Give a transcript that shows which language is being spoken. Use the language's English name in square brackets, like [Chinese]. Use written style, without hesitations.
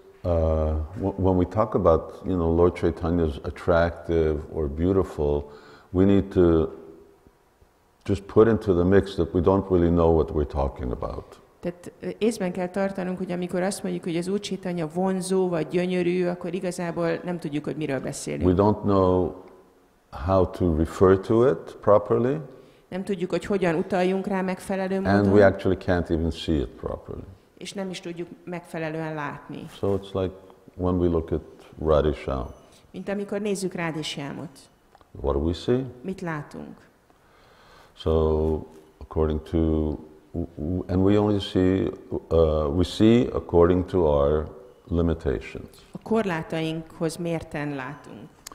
[English] When we talk about, you know, Lord Chaitanya's attractive or beautiful, we need to just put into the mix that we don't really know what we're talking about. [Hungarian] Tehát észben kell tartanunk, hogy amikor azt mondjuk, hogy az Úr Chaitanya vonzó vagy gyönyörű, akkor igazából nem tudjuk, hogy miről beszélünk. [English] We don't know how to refer to it properly. [Hungarian] Nem tudjuk, hogy hogyan utaljunk rá megfelelő módon. [English] And we actually can't even see it properly. [Hungarian] És nem is tudjuk megfelelően látni. [English] So it's like when we look at Radisham. [Hungarian] Mint amikor nézzük Radishyamot. [English] What do we see? [Hungarian] Mit látunk? [English] So according to and we only see we see according to our limitations. [Hungarian] A korlátainkhoz mérten látunk.